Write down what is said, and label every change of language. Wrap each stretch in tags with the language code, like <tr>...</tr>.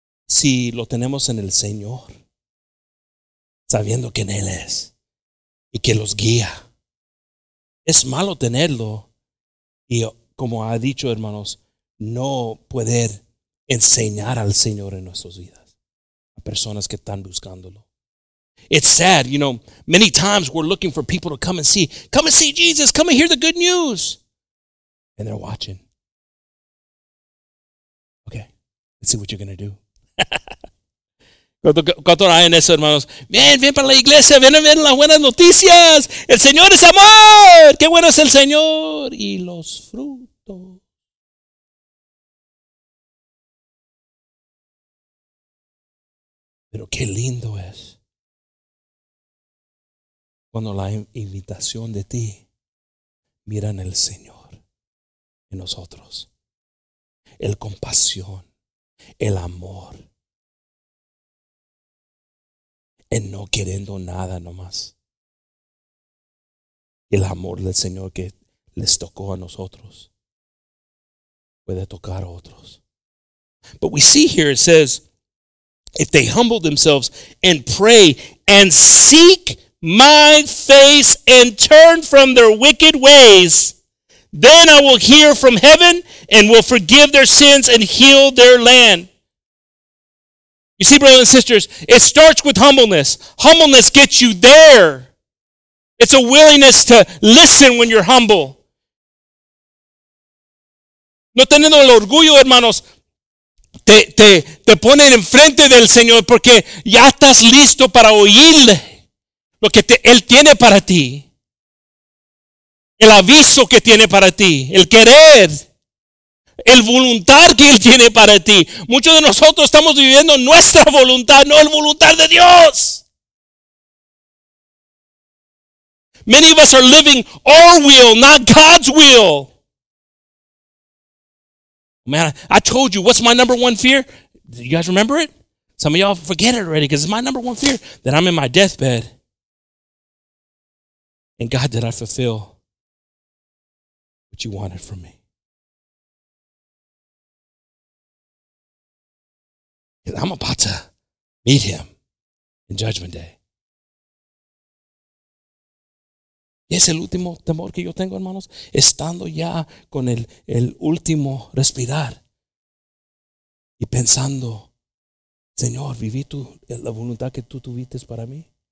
<es>si lo tenemos en el Señor, sabiendo quién Él es y que los guía. Es malo tenerlo y, como ha dicho, hermanos, no poder enseñar al Señor en nuestras vidas a personas que están buscándolo.</es> <en>It's sad, you know, many times we're looking for people to come and see Jesus, come and hear the good news. And they're watching. Okay, let's see what you're going to do.</en> <es>¿Cuánto hay en eso, hermanos? Ven, ven para la iglesia, ven a ver las buenas noticias. El Señor es amor. Qué bueno es el Señor. Y los frutos. Pero qué lindo es cuando la invitación de ti mira en el Señor, en nosotros. El compasión, el amor. En no queriendo nada nomás. El amor del Señor que les tocó a nosotros puede tocar a otros.</es> <en>But we see here it says, if they humble themselves and pray and seek my face and turn from their wicked ways, then I will hear from heaven and will forgive their sins and heal their land. You see, brothers and sisters, it starts with humbleness. Humbleness gets you there. It's a willingness to listen when you're humble.</en> <es>No teniendo el orgullo, hermanos, te ponen enfrente del Señor porque ya estás listo para oírle lo que Él tiene para ti. El aviso que tiene para ti, el querer. El voluntad que Él tiene para ti. Muchos de nosotros estamos viviendo nuestra voluntad, no la voluntad de Dios.</es> <en>Many of us are living our will, not God's will. Man, I told you, what's my number one fear? You guys remember it? Some of y'all forget it already because it's my number one fear that I'm in my deathbed. And God, did I fulfill what you wanted from me? I'm about to meet him in Judgment Day.</en> <es>Y es el último temor que yo tengo, hermanos, estando ya con el último respirar y pensando, Señor, viví tú la voluntad que tú tuviste para mí.</es>